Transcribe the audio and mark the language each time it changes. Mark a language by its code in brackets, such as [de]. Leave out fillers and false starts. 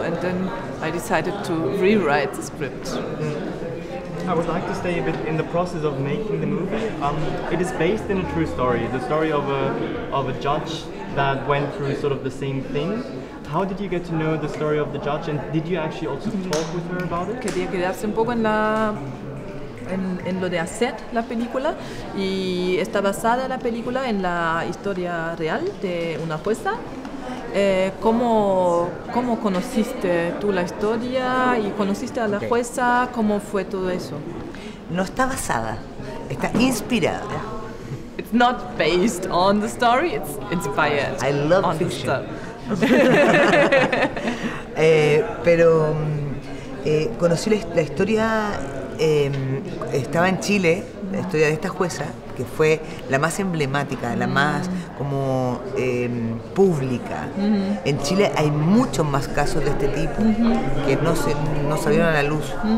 [en] And then I decided to rewrite the script. I would like to stay a bit in the process of making the movie. It is based in a true story, the story of a judge that went through sort of the same thing. how did you get to know the story of the judge, and did you actually also talk with her about it? [es] Quería quedarse un poco en lo de hacer la película, y está basada la película en la historia real de una jueza. ¿Cómo conociste tú la historia y conociste a la jueza? ¿Cómo fue todo eso? No está basada, está inspirada. [en] It's not based on the story, it's inspired. I love on fiction. The [es] pero conocí la historia, estaba en Chile, la historia de esta jueza, que fue la más emblemática, la más como pública. En Chile hay muchos más casos de este tipo que no salieron a la luz.